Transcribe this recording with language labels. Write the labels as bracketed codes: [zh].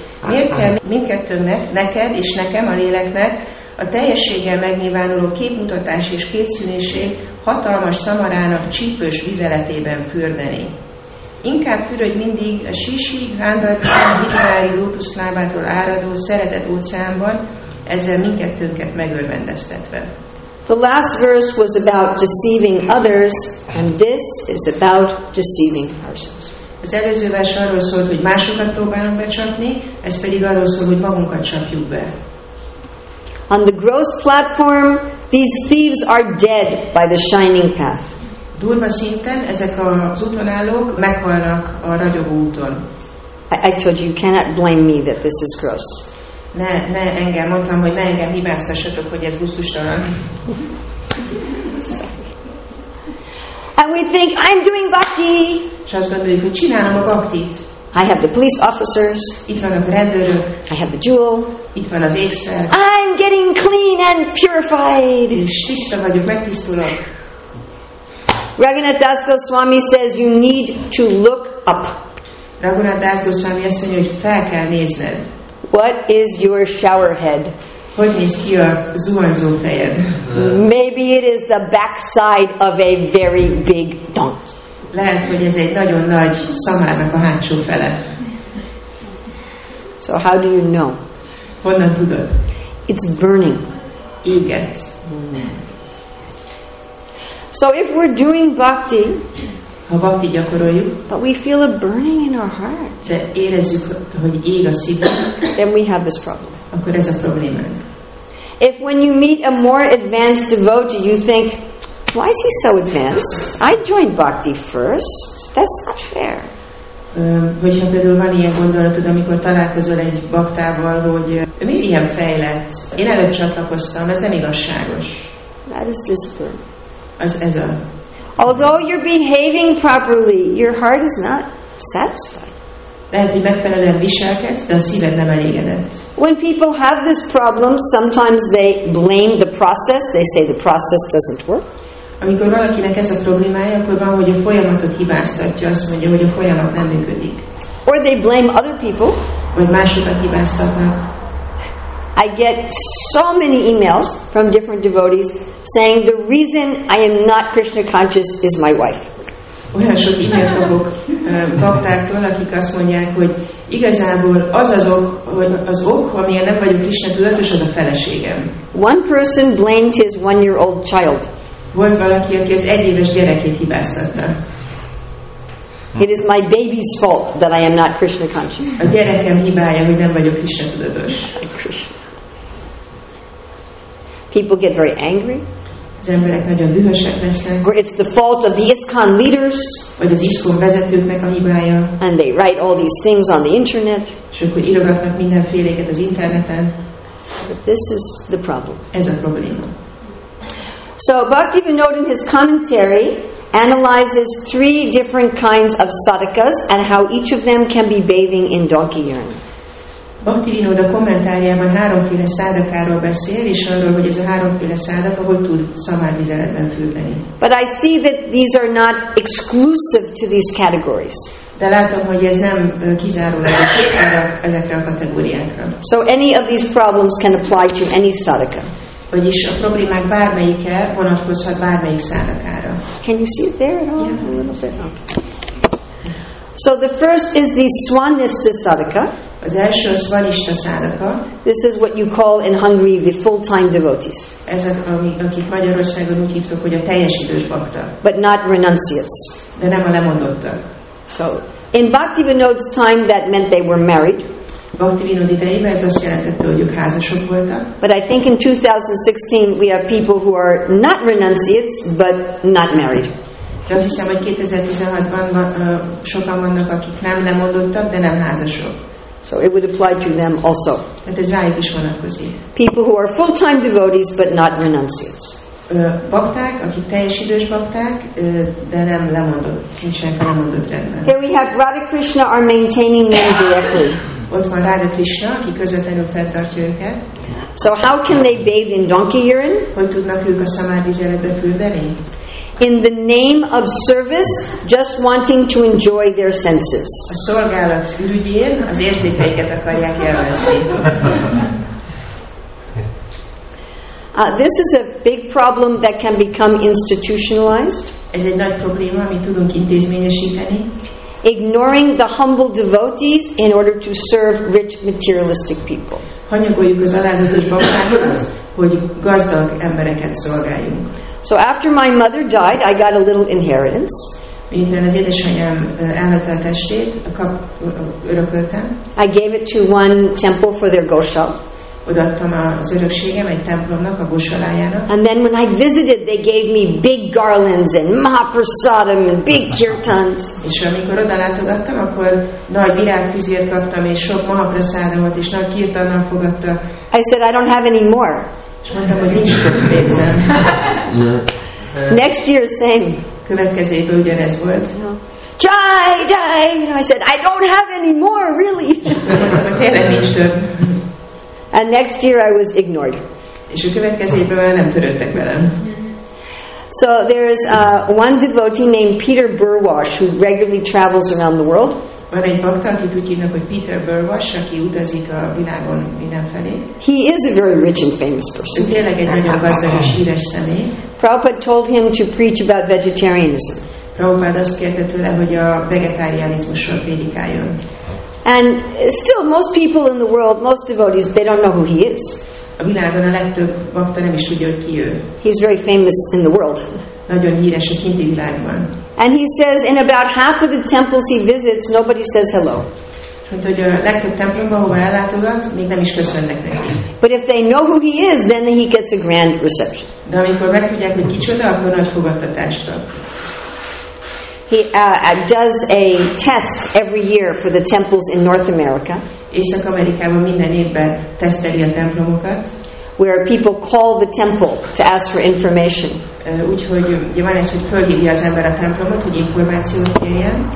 [hu] Miért kell mindkettőnknek, neked és nekem a léleknek a teljességgel megnyilvánuló képmutatás és kétszűnésség hatalmas szamarának csípős vizeletében fürdeni? Inkább fürödj mindig a sisi, gándarkán, hitvári lótuszlábától áradó szeretet óceánban, ezzel mindkettőnket megörvendeztetve. [en] The last verse was about deceiving others, and this is about deceiving ourselves. [hu] Az előző vers arról szólt, hogy másokat próbálunk becsapni, ez pedig arról szól, hogy magunkat csapjuk be. [en] On the gross platform, these thieves are dead by the shining path. [hu] Durva szinten ezek az útonállók meghalnak a ragyogó úton. [en] I told you, you cannot blame me that this is gross. [hu] Ne engem, mondtam, hogy ne engem hibáztassatok, hogy ez gusztustalan. [en] And we think, I'm doing bhakti. [hu] És azt gondoljuk, hogy csinálom a bhaktit. [en] I have the police officers. [hu] Itt van a rendőrök. [en] I have the jewel. [hu] Itt van az ékszer. [en] I'm getting clean and purified. [hu] És tiszta vagyok, megtisztulok. [en] Raghunath Das Goswami says you need to look up. [hu] Raghunath Das Goswami azt mondja, hogy fel kell nézned. [en] What is your shower head? [hu] Hogy néz ki a zuhanyzó fejed? [en] Maybe it is the backside of a very big donkey. [hu] Lehet, hogy ez egy nagyon nagy szamárnak a hátsó fele. [en] So how do you know? [hu] Honnan tudod? [en] It's burning. [hu] Igen. [en] So if we're doing bhakti, [hu] ha bhakti gyakoroljuk, [en] but we feel a burning in our heart, [hu] de érezzük, hogy ég a szívünk, [en] then we have this problem. [hu] Akkor ez a problémánk. [en] If when you meet a more advanced devotee, you think, why is he so advanced? I joined bhakti first. That's not fair. [hu] Hogyha például van ilyen gondolatod, amikor találkozol egy baktával, hogy miért ilyen fejlett? Én előbb csatlakoztam, ez nem igazságos. [en] That is discipline. [hu] Az ez a... [en] Although you're behaving properly, your heart is not satisfied. [hu] Lehet, hogy megfelelően viselkedsz, de a szíved nem elégedett. [en] When people have this problem, sometimes they blame the process. They say the process doesn't work. [hu] Amikor valakinek ez a problémája, akkor van, hogy a folyamatot hibáztatja, azt mondja, hogy a folyamat nem működik. [en] Or they blame other people. [hu] Vagy másokat hibáztatnak. [en] I get so many emails from different devotees saying the reason I am not Krishna conscious is my wife. [hu] Olyan sok e-mail kapok baktáktól, akik azt mondják, hogy igazából az ok, amilyen nem vagyok Krishna tudatos, az a feleségem. [en] One person blamed his one-year-old child. [hu] Volt valaki, aki az egy éves gyerekét hibáztatta. [en] It is my baby's fault that I am not Krishna conscious. [hu] A gyerekem hibája, hogy nem vagyok Krishna tudatos. [en] People get very angry. [hu] Az emberek nagyon dühösek lesznek. [en] Or it's the fault of the ISKCON leaders. [hu] Vagy az ISKCON vezetőknek a hibája. [en] And they write all these things on the internet. [hu] És akkor írogatnak mindenféléket az interneten. [en] But this is the problem. [hu] Ez a probléma. [en] So Bhaktivinoda in his commentary analyzes three different kinds of sadhakas and how each of them can be bathing in donkey urine. [hu] Bhaktivinoda kommentárjában háromféle szádakáról beszél, és arról, hogy ez a háromféle szádaka hogy tud szamárvizeletben fürdeni. [en] But I see that these are not exclusive to these categories. [hu] De látom, hogy ez nem kizárólagos ezekre a kategóriákra. [en] So any of these problems can apply to any sadhaka. [hu] Vagyis a problémák bármelyike vonatkozhat bármelyik szádakára. [en] Can you see it there at all? Yeah, a little bit. So the first is the swanista sadhaka. [hu] Az első a szvanista szádaka. [en] This is what you call in Hungary the full-time devotees. [hu] Ezek, akik Magyarországon úgy hívtok, hogy a teljes idős bakta. [en] But not renunciates. [hu] De nem a lemondottak. [en] So, in Bhaktivinoda's time that meant they were married. [hu] Bhaktivinoda idejében ez azt jelentette, hogy ők házasok voltak. [en] But I think in 2016 we have people who are not renunciates, but not married. [hu] De azt hiszem, hogy 2016-ban sokan vannak, akik nem lemondottak, de nem házasok. [en] So it would apply to them also. [hu] Hát ez rájuk is vonatkozik. [en] People who are full-time devotees, but not renunciates. [hu] Bakták, akik teljes idős bakták, de nem lemondott, nincsenek a lemondott rendben. [en] Here we have Radha Krishna are maintaining them directly. [hu] Ott van Radha Krishna, aki közvetlenül fenntartja őket. [en] So how can they bathe in donkey urine? [hu] Hogy tudnak ők a szamárvizeletbe fürdeni? [en] In the name of service, just wanting to enjoy their senses. [hu] A szolgálat ürügyén az érzékeiket akarják élvezni. [en] This is a big problem that can become institutionalized. [hu] Ez egy nagy probléma, amit tudunk intézményesíteni. [en] Ignoring the humble devotees in order to serve rich materialistic people. [hu] Hanyagoljuk az alázatos baktákat, hogy gazdag embereket szolgáljunk. [en] So after my mother died, I got a little inheritance. [hu] Miután az édesanyám elvette a testét, örököltem. [en] I gave it to one temple for their goshal. [hu] Odaadtam az örökségem egy templomnak, a gosolájának. [en] And then when I visited, they gave me big garlands and mahaprasadam and big kirtans. [hu] És amikor odalátogattam, akkor nagy virágfüzért kaptam, és sok mahaprasadamot és nagy kirtannal fogadta. [en] I said, I don't have any more. [hu] És mondtam, hogy nincs több pénzem. [en] Next year, same. [hu] Következő évben ugyanez volt. Jai, jai! [en] I said, I don't have any more, really. [hu] Tényleg nincs több. [en] And next year I was ignored. [hu] És a következő évben már nem törődtek velem. [en] So there is one devotee named Peter Burwash who regularly travels around the world. [hu] Van egy bakta, akit úgy hívnak, hogy Peter Burwash, aki utazik a világon mindenfelé. [en] He is a very rich and famous person. [hu] Tényleg egy nagyon gazdag és híres személy. [en] Prabhupada told him to preach about vegetarianism. [hu] Prabhupada azt kérte tőle, hogy a vegetarianizmusról prédikáljon. [en] And still, most people in the world, most devotees, they don't know who he is. [hu] A világon a legtöbb bakta nem is tudja, hogy ki ő. [en] He's very famous in the world. [hu] Nagyon híres a kinti világban. [en] And he says, in about half of the temples he visits, nobody says hello. [hu] Mint hogy a legtöbb templomba, ahova ellátogat, még nem is köszönnek neki. [en] But if they know who he is, then he gets a grand reception. [hu] De amikor megtudják, hogy kicsoda, akkor nagy fogadtatást kap. [en] He does a test every year for the temples in North America. [hu] Észak-Amerikában minden évben teszteli a templomokat. [en] Where people call the temple to ask for information. [hu] Úgyhogy van ez, hogy fölhívja az ember a templomot, hogy információt kérjen.